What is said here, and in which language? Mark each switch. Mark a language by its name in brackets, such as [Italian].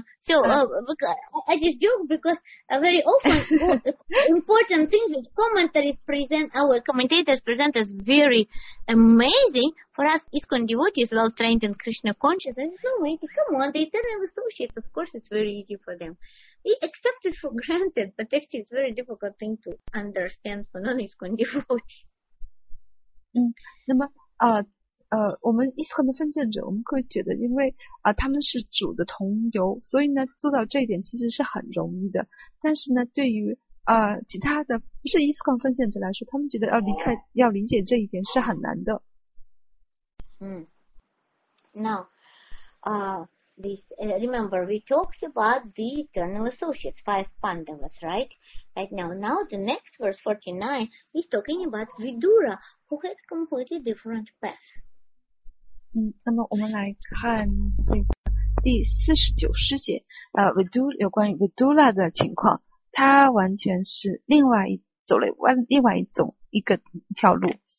[English] Because I just joke because very often important things that commentators present as very amazing for us ISKCON devotees, well trained in Krishna consciousness. It's no way. Come on, the eternal associates. Of course, it's very easy for them. We accept it for granted, but actually, it's a very difficult thing to understand for non-ISKCON devotees. [Chinese] 那么我们一贯的奉献者，我们会觉得，因为他们是主的同游，所以呢，做到这一点其实是很容易的。但是呢，对于其他的不是一贯奉献者来说，他们觉得要离开，要理解这一点是很难的。 [English] Now, remember we talked about the eternal associates, five Pandavas, right? Right now, the next verse 49 is talking about Vidura, who had completely different path. [Chinese] 那么我们来看这个第49诗节，有关于 Vidura 的情况，它完全是另外一走了另外一种一个条路。